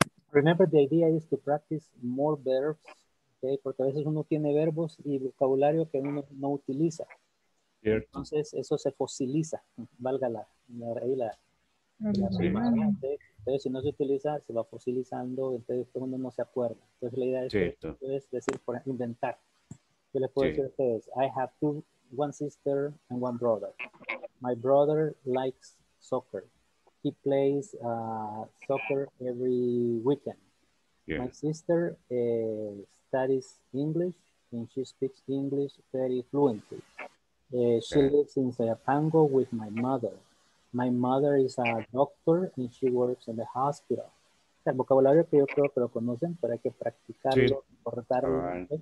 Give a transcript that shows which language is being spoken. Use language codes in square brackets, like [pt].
[en] Remember, the idea is to practice more verbs. Okay? [es] Porque a veces uno tiene verbos y vocabulario que uno no utiliza. Cierto. Entonces, eso se fosiliza. Valga la raíz. Entonces, si no se utiliza, se va fosilizando. Entonces, todo el mundo no se acuerda. Entonces, la idea es, que, es decir, por inventar. Yo les puedo decir a ustedes, [en] I have one sister and one brother. My brother likes soccer. He plays soccer every weekend. Yeah. My sister studies English and she speaks English very fluently. She lives in Sayapango with my mother. My mother is a doctor and she works in the hospital. [es] El vocabulario que yo creo que lo conocen, pero hay que practicarlo, cortarlo.